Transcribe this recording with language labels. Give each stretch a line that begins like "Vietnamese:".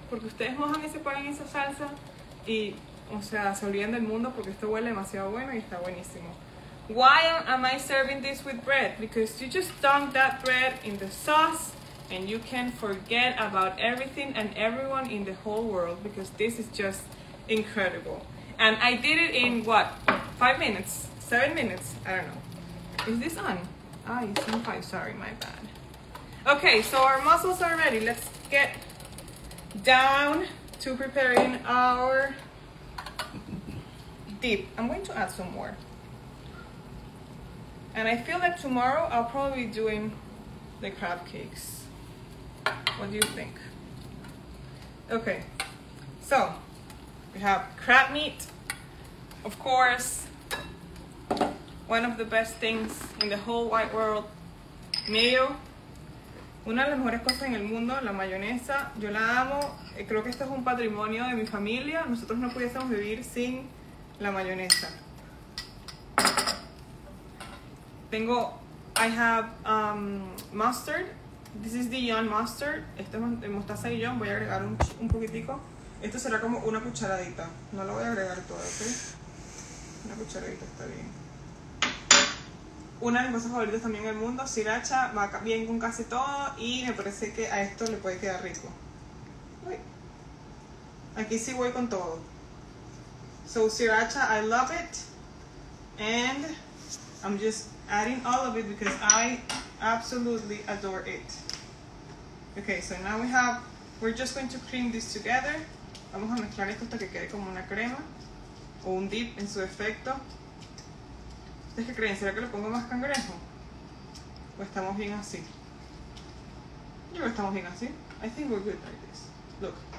Spanish: Porque ustedes mojan ese pan en esa salsa y, o sea, se olvidan del mundo porque esto huele demasiado bueno y está buenísimo.
English: Why am I serving this with bread? Because you just dunk that bread in the sauce and you can forget about everything and everyone in the whole world because this is just incredible. And I did it in, what, 5 minutes? 7 minutes? I don't know. Is this on? Ah, it's on 5. Sorry, my bad. Okay, so our mussels are ready. Let's get down to preparing our dip. I'm going to add some more. And I feel that tomorrow I'll probably be doing the crab cakes. What do you think? Okay, so we have crab meat, of course. One of the best things in the whole wide world. Mayo.
Spanish: Una de las mejores cosas en el mundo, la mayonesa. Yo la amo. Creo que esto es un patrimonio de mi familia. Nosotros no pudiésemos vivir sin la mayonesa. Tengo,
English: I have mustard. This is Dijon mustard.
Spanish: Esto es de mostaza Dijon. Voy a agregar un poquitico. Esto será como una cucharadita. No lo voy a agregar todo, ¿ok? Una cucharadita está bien. Una de mis cosas favoritas también en el mundo, sriracha, va bien con casi todo y me parece que a esto le puede quedar rico. Uy. Aquí sí voy con todo.
English: So sriracha, I love it. And I'm just adding all of it because I absolutely adore it. Okay, so now we have, we're just going to cream this together.
Spanish: Vamos a mezclar esto hasta que quede como una crema o un dip en su efecto. ¿Ustedes qué creen? ¿Será que le pongo más cangrejo? ¿O estamos bien así? Yo creo que estamos bien así.
English: I think we're good like this. Look.